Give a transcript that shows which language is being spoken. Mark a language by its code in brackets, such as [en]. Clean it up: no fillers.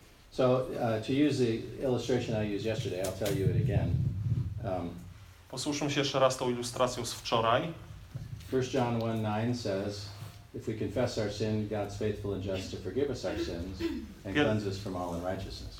[en] So to use the illustration I used yesterday, I'll tell you it again. [pl] Posłuszmy się jeszcze raz tą ilustracją z wczoraj. [en] 1 John 1:9 says, "If we confess our sin, God's faithful and just to forgive us our sins and cleanse us from all unrighteousness."